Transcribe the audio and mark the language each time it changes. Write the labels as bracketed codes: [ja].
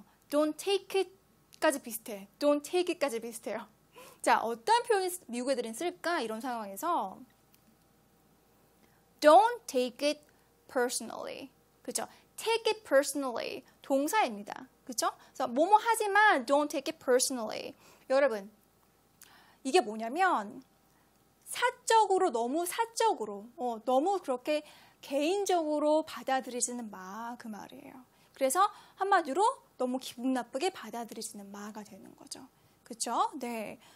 [en] Don't take it [ko] 까지 비슷해. [en] Don't take it [ko] 까지 비슷해요. 자, 어떤 표현을 미국 애들은 쓸까? 이런 상황에서. [en] Don't take it personally. [ko] 그죠? [en] Take it personally. [ko] 동사입니다. 그죠? 그래서 뭐뭐 하지만 [en] don't take it personally. [ko] 여러분, 이게 뭐냐면 사적으로, 너무 사적으로, 너무 그렇게 개인적으로 받아들이지는 마, 그 말이에요. 그래서 한마디로 너무 기분 나쁘게 받아들이지는 마가 되는 거죠. 그쵸? 네.